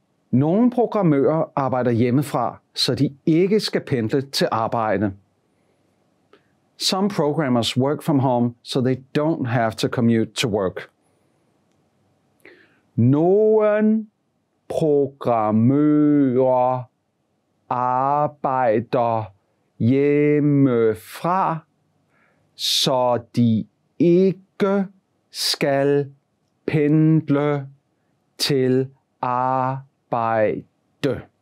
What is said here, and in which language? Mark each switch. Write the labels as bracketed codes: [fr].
[da] Nogle programmører arbejder hjemmefra, så de ikke skal pendle til arbejde. [en] Some programmers work from home, so they don't have to commute to work. [da] Nogle programmører arbejder hjemmefra, så de ikke skal pendle til arbejde.